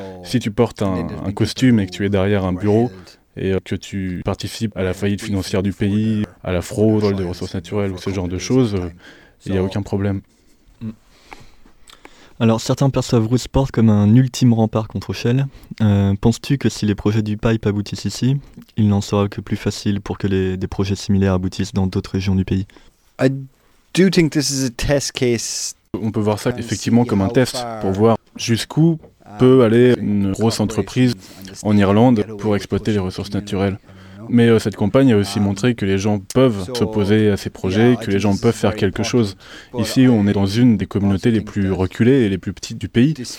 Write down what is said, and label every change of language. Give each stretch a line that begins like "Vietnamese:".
French: Si tu portes un costume et que tu es derrière un bureau et que tu participes à la faillite financière du pays, à la fraude, vol de ressources naturelles ou ce genre de choses, il n'y a aucun problème. Alors, certains perçoivent Rosport comme un ultime rempart contre Shell. Penses-tu que si les projets du pipe aboutissent ici, il n'en sera que plus facile pour que des projets similaires aboutissent dans d'autres régions du pays?
English: I do think this is a test case.
French: On peut voir ça effectivement comme un test pour voir jusqu'où peut aller une grosse entreprise en Irlande pour exploiter les ressources naturelles. Mais cette campagne a aussi montré que les gens peuvent s'opposer à ces projets, que les gens peuvent faire quelque chose. Ici, on est dans une des communautés les plus reculées et les plus petites du pays.